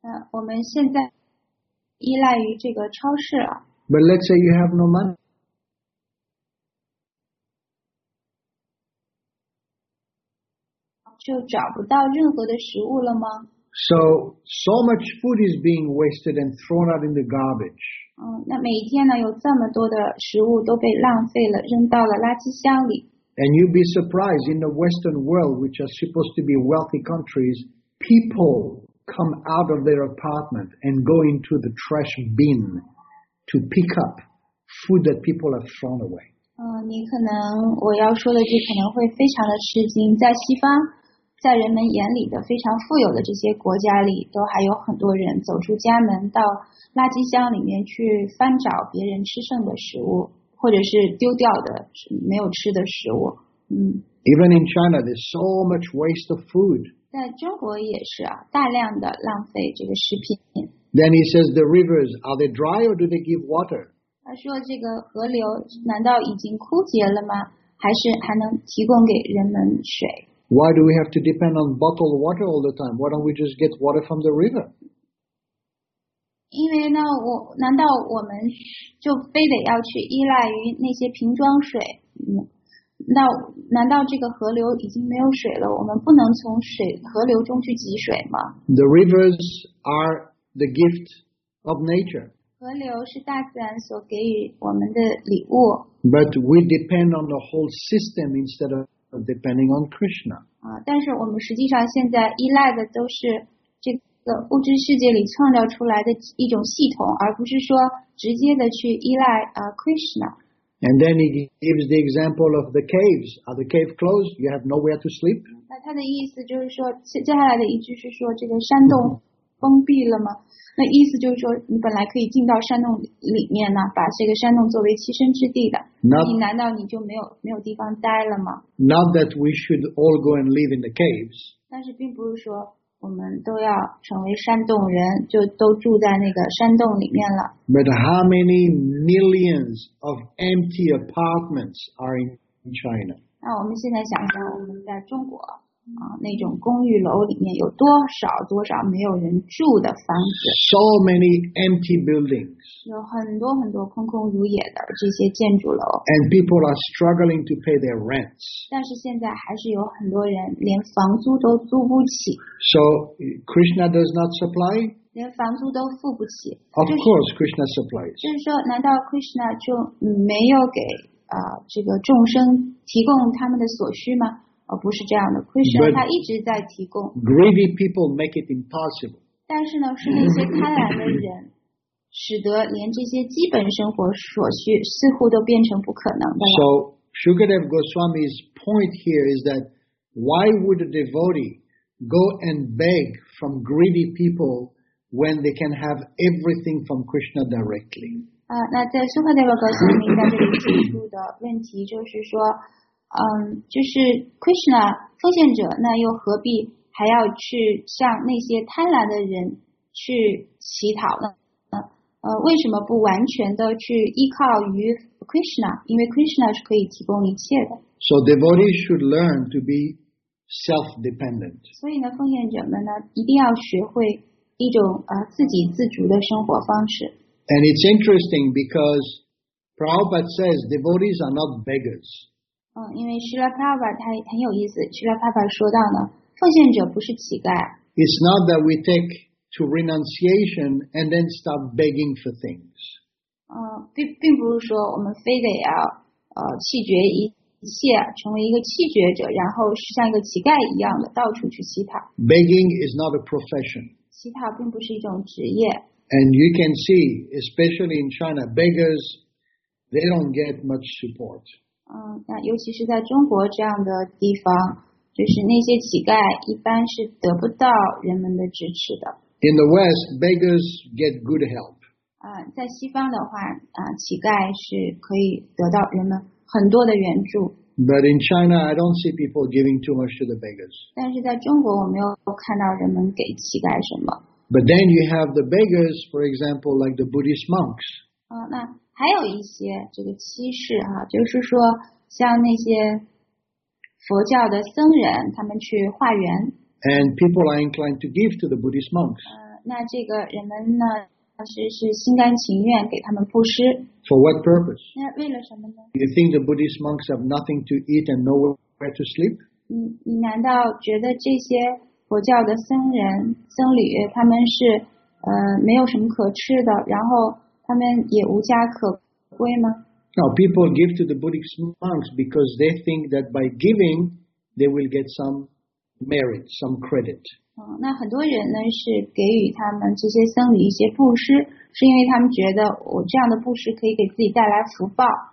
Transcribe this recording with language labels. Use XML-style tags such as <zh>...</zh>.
<zh>我们现在依赖于这个超市了。</zh> <en>But let's say you have no money.</en> <zh>就找不到任何的食物了吗？</zh> <en>So much food is being wasted and thrown out in the garbage.</en> <zh>那每一天呢，有这么多的食物都被浪费了，扔到了垃圾箱里。</zh> <en>And you'd be surprised in the Western world, which are supposed to be wealthy countries, people come out of their apartment and go into the trash bin to pick up food that people have thrown away.</en> <zh>你可能我要说的这可能会非常的吃惊，在西方。在人们眼里的非常富有的这些国家里，都还有很多人走出家门到垃圾箱里面去翻找别人吃剩的食物，或者是丢掉的没有吃的食物。</zh> <en>Even in China, there's so much waste of food.</en> <zh>在中国也是啊，大量的浪费这个食品。</zh> <en>Then he says, the rivers, are they dry or do they give water?</en> <zh>他说这个河流难道已经枯竭了吗？还是还能提供给人们水？</zh> <en>Why do we have to depend on bottled water all the time? Why don't we just get water from the river?</en> <zh>因为呢，难道我们就非得要去依赖于那些瓶装水？那难道这个河流已经没有水了？我们不能从水河流中去汲水吗？</zh> <en>The rivers are the gift of nature.</en> <zh>河流是大自然所给予我们的礼物。</zh> <en>But we depend on the whole system instead of. Depending on Krishna.</en> <zh>但是我们实际上现在依赖的都是这个物质世界里创造出来的一种系统，而不是说直接的去依赖Krishna.</zh> <en>And then he gives the example of the caves. Are the caves closed? You have nowhere to sleep.</en> <zh>那他的意思就是说，接下来的一句是说，这个山洞封闭了吗？那意思就是说，你本来可以进到山洞里面呢，把这个山洞作为栖身之地的。你难道你就没有地方待了吗？</zh> <en>Not that we should all go and live in the caves.</en> <zh>但是并不是说我们都要成为山洞人，就都住在那个山洞里面了。</zh> <en>But how many millions of empty apartments are in China?</en> <zh>那我们现在想想，我们在中国。那种公寓楼里面有多少多少没有人住的房子</zh> <en>？So many empty buildings.</en> <zh>有很多很多空空如也的这些建筑楼。</zh> <en>And people are struggling to pay their rents.</en> <zh>但是现在还是有很多人连房租都租不起。</zh> <en>So Krishna does not supply.</en> <zh>连房租都付不起。</zh> <en>Of course, Krishna supplies.</en> <zh>就是说，难道 Krishna 就没有给这个众生提供他们的所需吗？不是这样的 ，Krishna 他一直在提供。</zh> <en>Greedy people make it impossible.</en> <zh>但是呢，是那些贪婪的人，使得连这些基本生活所需似乎都变成不可能的。</zh> <en>So Shukadev Goswami's point here is that why would a devotee go and beg from greedy people when they can have everything from Krishna directly.</en> <zh>那在苏克涅伯格森名单这里提出的问题就是说，就是 Krishna 奉献者，那又何必还要去向那些贪婪的人去乞讨呢？为什么不完全的去依靠于 Krishna？因为 Krishna 是可以提供一切的。</zh> <en>So devotees should learn to be self-dependent.</en> <zh>所以呢，奉献者们呢，一定要学会一种自给自足的生活方式。</zh> <en>And it's interesting because Prabhupada says devotees are not beggars.</en> <zh>因为 Srila Prabhupada 他很有意思。Srila Prabhupada 说到呢，奉献者不是乞丐。</zh> <en>It's not that we take to renunciation and then start begging for things.</en> <zh>并不是说我们非得要弃绝一切，成为一个弃绝者，然后是像一个乞丐一样的到处去乞讨。</zh> <en>Begging is not a profession.</en> <zh>乞讨并不是一种职业。</zh> <en>And you can see, especially in China, beggars, they don't get much support.</en> <zh>那尤其是在中国这样的地方，就是那些乞丐一般是得不到人们的支持的。</zh> <en>In the West, beggars get good help.</en> <zh>在西方的话，乞丐是可以得到人们很多的援助。</zh> <en>But in China, I don't see people giving too much to the beggars.</en> <zh>但是在中国，我没有看到人们给乞丐什么。</zh> <en>But then you have the beggars, for example, like the Buddhist monks.</en> <zh>那还有一些这个七世就是说像那些佛教的僧人，他们去化缘。</zh> <en>And people are inclined to give to the Buddhist monks.</en> <zh>那这个人们呢，是心甘情愿给他们布施。</zh> <en>For what purpose?</en> <zh>那为了什么呢？</zh> <en>You think the Buddhist monks have nothing to eat and nowhere to sleep?</en> <zh>你难道觉得这些佛教的僧人僧侣他们是没有什么可吃的，然后他们也无家可归吗？</zh> <en>No, people give to the Buddhist monks because they think that by giving they will get some merit, some credit.</en> <zh>那很多人呢是给予他们这些僧侣一些布施，是因为他们觉得我这样的布施可以给自己带来福报。</zh>